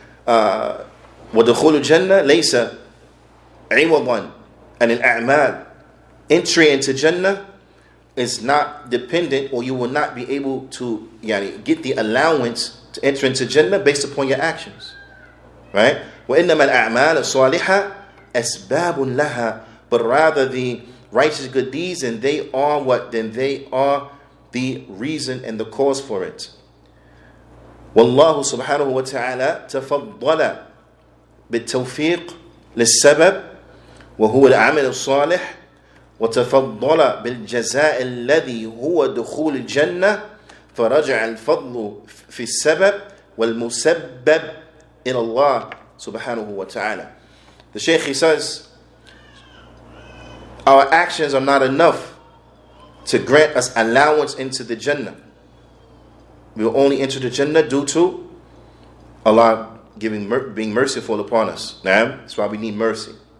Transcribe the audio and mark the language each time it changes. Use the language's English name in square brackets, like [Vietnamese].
[Arabic] وَدُخُولُ الْجَنَّةِ لَيْسَ عِوَضًا [English] And in a'mal, entry into Jannah is not dependent or you will not be able to get the allowance to enter into Jannah based upon your actions. Right? [Arabic] وَإِنَّمَا الْأَعْمَالَ الصَّالِحَةَ أَسْبَابٌ لَهَا [English] But rather the righteous good deeds and they are what? Then they are the reason and the cause for it. [Arabic] وَاللَّهُ سُبْحَانَهُ وَتَعَالَى تَفَضَّلَ بِالتَّوْفِيقِ لِلسَّبَبِ وَهُوَ الْعَمَلُ الصَّالِحِ وَتَفَضَّلَ بِالْجَزَاءِ الَّذِي هُوَ دُخُولِ الْجَنَّةِ فَرَجَعَ الْفَضْلُ فِي السَّبَبِ وَالْمُسَبَّبِ إِلَى اللَّهِ Subhanahu wa ta'ala. [English] The Shaykh, he says, our actions are not enough to grant us allowance into the Jannah. We will only enter the Jannah due to Allah giving being merciful upon us. Naam? That's why we need mercy.